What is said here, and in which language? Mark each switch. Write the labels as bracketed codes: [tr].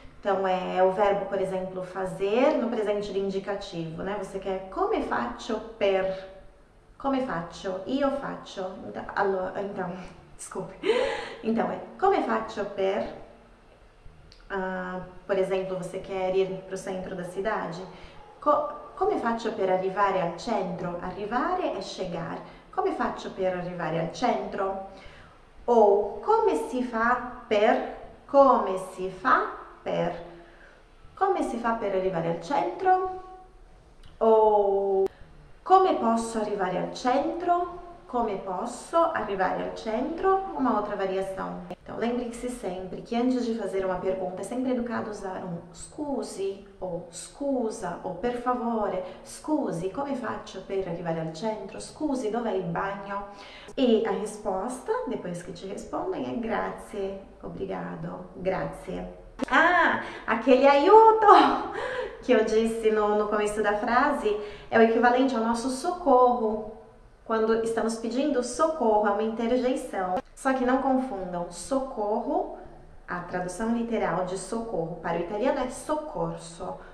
[pt] Então, é o verbo, por exemplo, fazer no presente de indicativo, né? Você quer [it] come faccio per... Come faccio? Io faccio. [pt] Então, desculpe. Então, é [it] come faccio per. [pt] Por exemplo, você quer ir para o centro da cidade? [it] Come faccio per arrivare al centro? Arrivare [pt] é chegar. [it] Come faccio per arrivare al centro? Ou come si fa per. Come si fa per. Come si fa per arrivare al centro? Ou. Come posso arrivare al centro? Come posso arrivare al centro? [pt] Uma outra variação. Então, lembre-se sempre que antes de fazer uma pergunta, é sempre educado usar um scusi ou scusa ou per favore. [it] Scusi, come faccio per arrivare al centro? Scusi, dov'è il bagno? [pt] E a resposta, depois que te respondem, é grazie, obrigado, grazie. Ah, aquele aiuto! Que eu disse no começo da frase é o equivalente ao nosso socorro. Quando estamos pedindo socorro, é uma interjeição. Só que não confundam socorro, a tradução literal de socorro para o italiano é soccorso.